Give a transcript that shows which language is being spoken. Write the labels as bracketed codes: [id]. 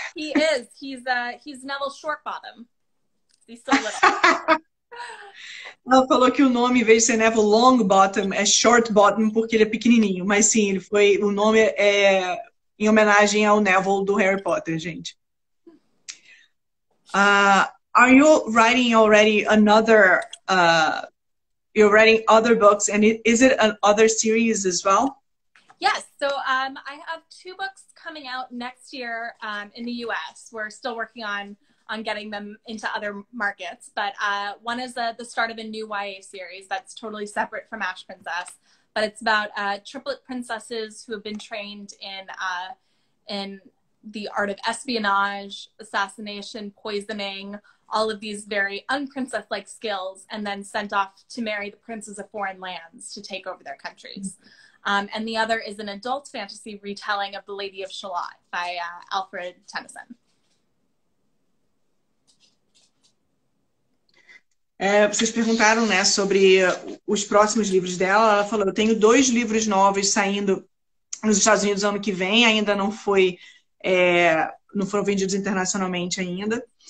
[en] He is. He's Neville Shortbottom. He's so little. [pt] Ela falou que o nome, em vez de ser Neville Longbottom, é Shortbottom, porque ele é pequenininho. Mas sim, ele foi, o nome é em homenagem ao Neville do Harry Potter, gente. [en] Are you writing already another, you're writing other books, and is it an other series as well? Yes, so I have 2 books coming out next year in the U.S. We're still working on getting them into other markets, but one is the start of a new YA series that's totally separate from Ash Princess, but it's about triplet princesses who have been trained in the art of espionage, assassination, poisoning, all of these very unprincess-like skills, and then sent off to marry the princes of foreign lands to take over their countries. And the other is an adult fantasy retelling of The Lady of Shalott by Alfred Tennyson. [pt] Vocês perguntaram, né, sobre os próximos livros dela. Ela falou, eu tenho 2 livros novos saindo nos Estados Unidos ano que vem, ainda não foi, não foram vendidos internacionalmente ainda.